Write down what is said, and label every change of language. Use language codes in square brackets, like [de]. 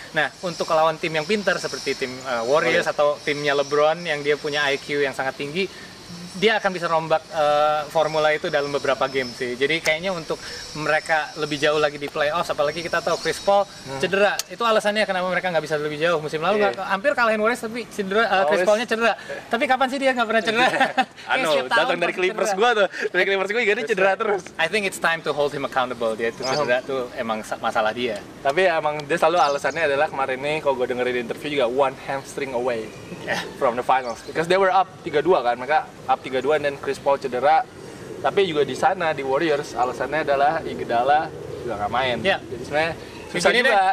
[id] Nah, untuk lawan tim yang pintar seperti tim Warriors atau timnya LeBron yang dia punya IQ yang sangat tinggi, dia akan bisa rombak formula itu dalam beberapa game sih. Jadi kayaknya untuk mereka lebih jauh lagi di playoffs, apalagi kita tahu Chris Paul cedera. Itu alasannya kenapa mereka nggak bisa lebih jauh musim lalu. Hampir kalahin Warriors tapi cedera, Chris Paul-nya cedera. Tapi kapan sih dia nggak pernah cedera? Datang dari Clippers gue tuh. Dari Clippers gue, jadi cedera terus. [en] I think it's time to hold him accountable. [id] Dia itu cedera tuh emang masalah dia. Tapi emang dia selalu alasannya adalah kemarin nih, kalau gue dengerin interview juga, [en] one hamstring away from the finals. Because they were up 3-2 [id] kan, mereka up 3-2 dan Chris Paul cedera. Tapi juga di sana di Warriors alasannya adalah Iguodala juga nggak main. [en] Yeah. [id] Jadi sebenarnya susah juga.